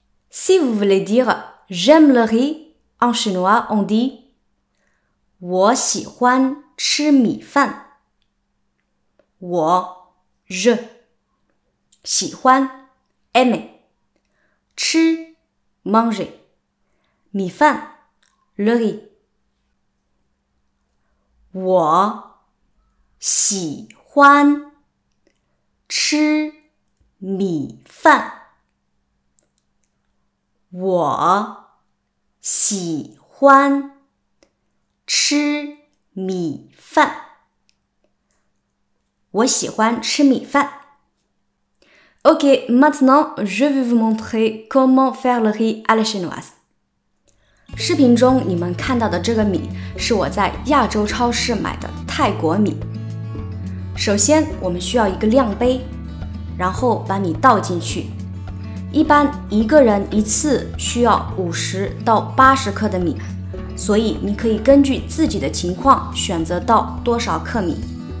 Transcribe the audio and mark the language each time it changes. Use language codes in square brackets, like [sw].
[fr] Si vous voulez dire « j'aime le riz », en chinois, on dit « [zh] 我喜欢吃米饭 ». « 我 »« je »« 喜欢 »« aimer »« 吃 »« manger »« 米饭 »« le riz »« 我喜欢吃米饭 ». Wa si huan chi mi fan. Wa si huan chi mi fan. [fr] Ok, maintenant je vais vous montrer comment faire le riz à la chinoise. [zh] 视频中你们看到的这个米是我在亚洲超市买的泰国米。首先我们需要一个量杯，然后把米倒进去。一般一个人一次需要50到80克的米，所以你可以根据自己的情况选择到多少克米。